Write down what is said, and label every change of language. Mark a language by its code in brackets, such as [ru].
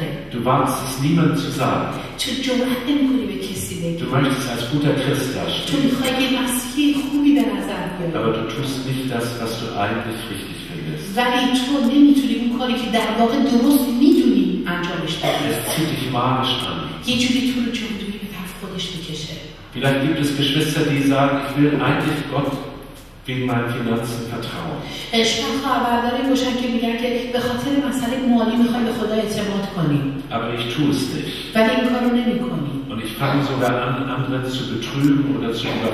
[de] Du wagst es niemandem zu sagen. Du möchtest als guter Christ dastehen. Aber du tust nicht das, was du eigentlich richtig findest. [fa] ولی تو نمیتونی اون کاری که در واقع درست میدونی انجامش بدی. یه جوری تو رو جمدونی به طرف خودش میکشه. [de] Vielleicht gibt es Geschwister, die sagen, ich will eigentlich Gott wegen meinen Finanzen vertrauen. [fa] شما خواهرداری باشن که میگن که به خاطر مسئله مالی میخوای به خدا اعتماد کنی. [de] Aber ich tue es nicht. [fa] ولی این کارو نمیکنی. [de] Und ich fange sogar an, andere zu betrügen oder zu